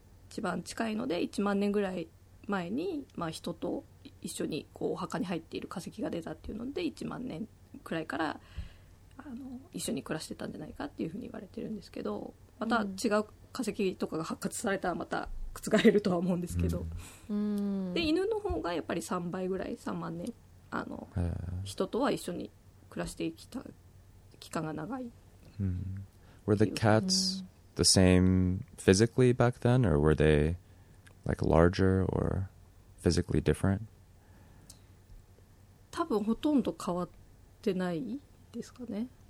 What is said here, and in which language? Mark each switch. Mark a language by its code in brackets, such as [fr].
[ja] 一番近いので1万年ぐらい前に、まあ、人と一緒にこうお墓に入っている化石が出たっていうので、1万年くらいからあの一緒に暮らしてたんじゃないかっていうふうに言われてるんですけど、また違う化石とかが発掘されたらまた覆えるとは思うんですけど、で犬の方がやっぱり3倍ぐらい、3万年あの人とは一緒に暮らしてきた期間が長い。 [en] Were the cats the same physically back then, or were they like larger or physically different? [ja] 多分ほとんど変わってないですかね。